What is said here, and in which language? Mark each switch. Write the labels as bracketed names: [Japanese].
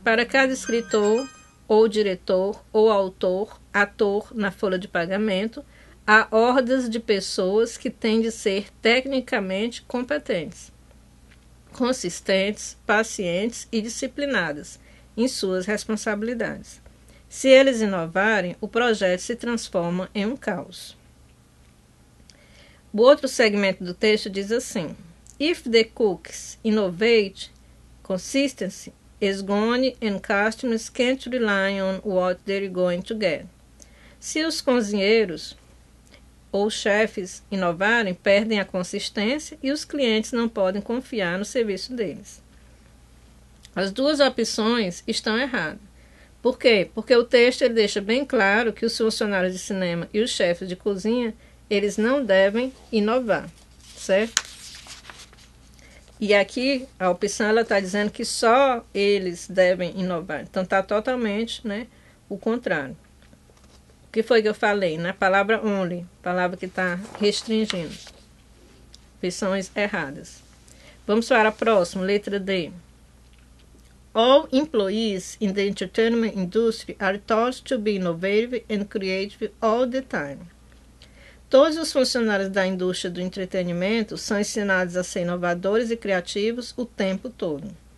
[Portuguese] Para cada escritor, ou diretor, ou autor, ator na folha de pagamento, há hordas de pessoas que têm de ser tecnicamente competentes, consistentes, pacientes e disciplinadas em suas responsabilidades. Se eles inovarem, o projeto se transforma em um caos. O outro segmento do texto diz assim: [English] If the cooks innovate, consistency is gone and customers can't rely on what they're going to get. [Portuguese] Se os cozinheiros ou chefes inovarem, perdem a consistência e os clientes não podem confiar no serviço deles. As duas opções estão erradas. Por quê? Porque o texto ele deixa bem claro que os funcionários de cinema e os chefes de cozinha, eles não devem inovar, certo? E aqui a opção ela está dizendo que só eles devem inovar. Então está totalmente, né, o contrário. O que foi que eu falei? Na palavra only, palavra que está restringindo. Opções erradas. Vamos para a próxima, letra D. [English] All employees in the entertainment industry are taught to be innovative and creative all the time. [Portuguese] Todos os funcionários da indústria do entretenimento são ensinados a ser inovadores e criativos o tempo todo.